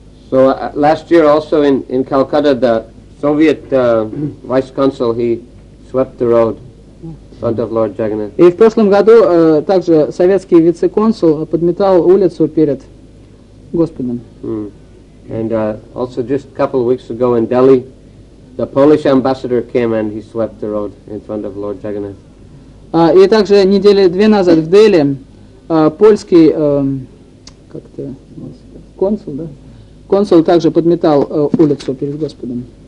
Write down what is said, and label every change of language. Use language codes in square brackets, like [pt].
[en] So last year also in Calcutta the Soviet vice consul he swept the road in front of Lord Jagannath. [ru] И в прошлом году также советский вице-консул подметал улицу перед Господом. [en] And also just a couple of weeks ago in Delhi, the Polish ambassador came and he swept the road in front of Lord Jagannath. [ru] И также недели две назад в Дели польский как-то консул, да? Консул также подметал улицу перед Господом.